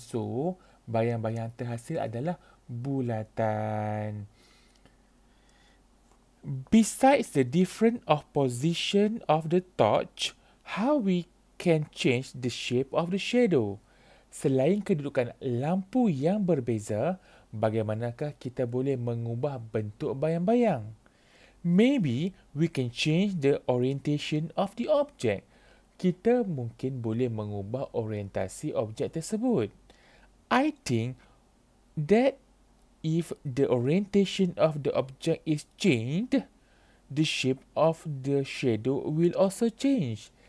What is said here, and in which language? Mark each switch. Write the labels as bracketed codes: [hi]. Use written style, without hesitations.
[ms] So, bayang-bayang terhasil adalah bulatan. [en] Besides the difference of position of the torch, how we can change the shape of the shadow? [ms] Selain kedudukan lampu yang berbeza, bagaimanakah kita boleh mengubah bentuk bayang-bayang? [en] Maybe we can change the orientation of the object. [ms] Kita mungkin boleh mengubah orientasi objek tersebut. [en] I think that if the orientation of the object is changed, the shape of the shadow will also change.